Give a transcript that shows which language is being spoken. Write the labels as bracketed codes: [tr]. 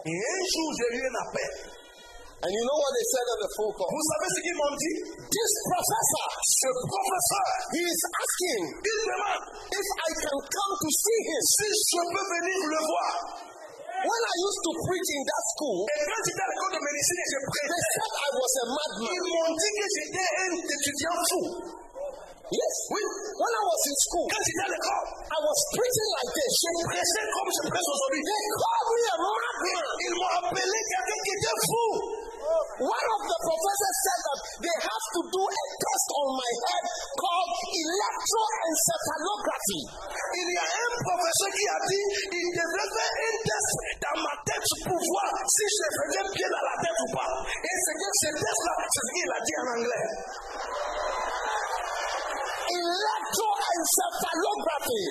[fr] Et un jour j'ai eu un appel. [en] And you know what they said on the phone call? [fr] Vous savez ce qu'ils m'ont dit? [en] This professor, [fr] ce professeur, [en] he is asking, [fr] il demande, [en] if I can come to see him. [fr] Si je peux venir le voir. [en] When I used to preach in that school, [fr] et quand j'étais à l'école de médecine, je prêchais. [en] They said I was a madman. [fr] Ils m'ont dit que j'étais un étudiant fou. [en] Yes. [fr] Oui. [en] When I was in school, [fr] quand j'étais à l'école, [en] I was preaching like this. [fr] Je prêchais comme je prêche aujourd'hui. [en] They called me a madman. [fr] Ils m'ont appelé quelqu'un qui était fou. [en] One of the professors said that they have to do a test on my head called electroencephalography. [fr] Il y a un professeur qui a dit il devait faire un test dans ma tête pour voir si je faisais bien dans la tête ou pas. Et ce test là, c'est ce qu'il a dit en anglais. [en] Electroencephalography.